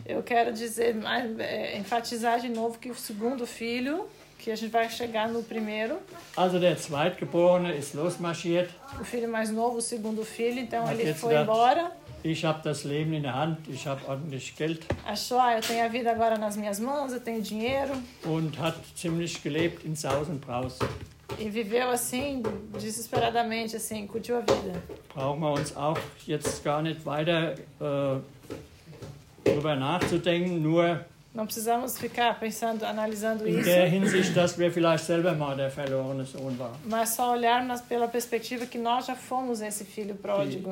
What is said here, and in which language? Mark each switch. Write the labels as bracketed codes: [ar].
[pt] Eu quero dizer, enfatizar de novo que o segundo filho, que a gente vai chegar no primeiro. [de] Also der Zweitgeborene ist losmarschiert. [pt] O filho mais novo, o segundo filho, então, ele foi embora. [de] Ich habe das Leben in der Hand, ich habe ordentlich Geld. [pt] Achou, eu tenho a vida agora nas minhas mãos, eu tenho dinheiro. [de] Und hat ziemlich gelebt in Saus und Braus. [pt] E viveu assim, desesperadamente, assim, curtiu a vida. [de] Brauchen wir uns auch jetzt gar nicht weiter darüber nachzudenken, nur. [pt] Não precisamos ficar pensando, analisando [de] in [pt] isso. [de] Der Hinsicht, dass wir vielleicht selber mal der verlorene Sohn waren. [pt] Mas só olhar pela perspectiva que nós já fomos esse filho pródigo.